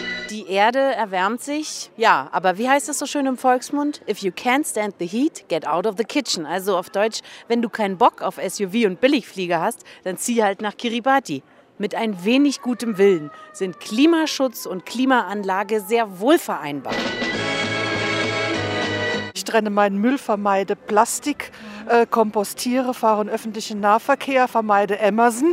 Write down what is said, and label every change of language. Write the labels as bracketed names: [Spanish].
[German] Die Erde erwärmt sich, ja, aber wie heißt das so schön im Volksmund? [English] If you can't stand the heat, get out of the kitchen. [German] Also auf Deutsch, wenn du keinen Bock auf SUV und Billigflieger hast, dann zieh halt nach Kiribati. Mit ein wenig gutem Willen sind Klimaschutz und Klimaanlage sehr wohl vereinbar. Ich trenne meinen Müll, vermeide Plastik, kompostiere, fahre in öffentlichen Nahverkehr, vermeide Amazon.